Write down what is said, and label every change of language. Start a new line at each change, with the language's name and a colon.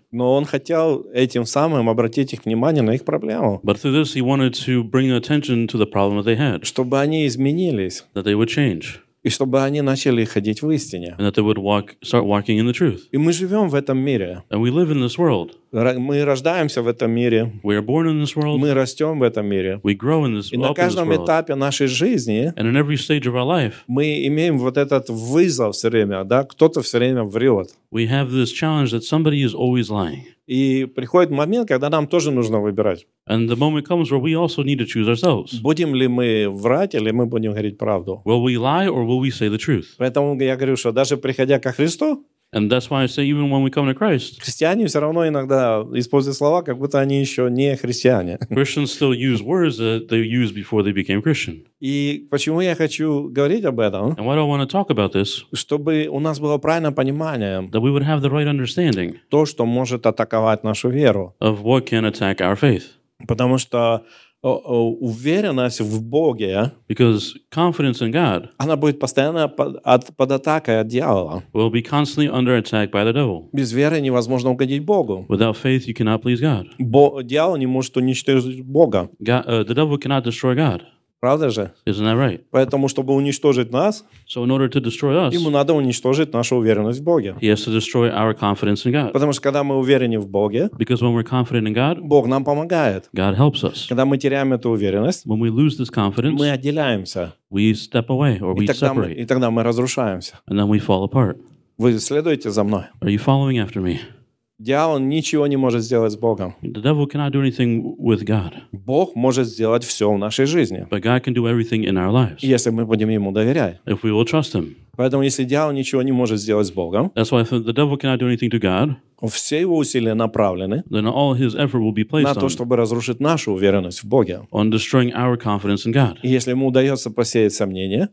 Russian: Но он хотел этим самым обратить их внимание на их проблему.
English: But through this he wanted to bring attention to the problem that they had.
Russian: Чтобы они изменились.
English: That they would change.
Russian: И чтобы они начали ходить в истине.
English: And that they would walk, start walking in the truth.
Russian: И мы живем в этом мире.
English: And we live in this world.
Russian: Мы рождаемся в этом мире.
English: We are born in this world.
Russian: Мы растем в этом мире.
English: We grow in this,
Russian: и на каждом
English: this
Russian: этапе нашей жизни
English: and in every stage of our life,
Russian: мы имеем вот этот вызов все время, да? Кто-то все время врет.
English: We have this challenge that somebody is always lying.
Russian: И приходит момент, когда нам тоже нужно выбирать.
English: And the moment comes where we also need to choose ourselves.
Russian: Будем ли мы врать, или мы будем говорить правду?
English: Will we lie or will we say the truth?
Russian: Поэтому я говорю, что даже приходя ко Христу,
English: and that's why I say even when we come to Christ,
Russian: христиане все равно иногда используют слова, как будто они еще не христиане.
English: Christians still use words that they used before they became Christian.
Russian: И почему я хочу говорить об этом?
English: And why do I want to talk about this?
Russian: Чтобы у нас было правильное понимание,
English: that we would have the right understanding,
Russian: то, что может атаковать нашу веру,
English: of what can attack our faith.
Russian: Потому что уверенность в Боге,
English: because confidence in God,
Russian: она будет постоянно под атакой от дьявола.
English: Will be constantly under attack by the devil.
Russian: Без веры невозможно угодить Богу.
English: Without faith, you cannot please God.
Russian: Дьявол не может уничтожить Бога.
English: The devil cannot destroy God.
Russian: Правда же?
English: Isn't that right?
Russian: Поэтому, чтобы уничтожить нас,
English: so in order to destroy us,
Russian: ему надо уничтожить нашу уверенность в Боге.
English: He has to destroy our confidence in God.
Russian: Потому что, когда мы уверены в Боге,
English: because when we're confident in God,
Russian: Бог нам помогает.
English: God helps us.
Russian: Когда мы теряем эту уверенность,
English: when we lose this confidence,
Russian: мы отделяемся.
English: We step away or we separate.
Russian: И тогда мы разрушаемся.
English: And then we fall apart.
Russian: Вы следуете за мной?
English: Are you following after me?
Russian: Дьявол ничего не может сделать с Богом.
English: The devil cannot do anything with God.
Russian: Бог может сделать все в нашей жизни.
English: But God can do everything in our lives.
Russian: Если мы будем ему доверять.
English: If we will trust him.
Russian: Поэтому, если дьявол ничего не может сделать с Богом,
English: that's why if the devil cannot do anything to God,
Russian: все его усилия направлены,
English: then all his effort will be placed
Russian: на то, чтобы разрушить нашу уверенность в Боге.
English: On destroying our confidence in God.
Russian: И если ему удается посеять сомнения,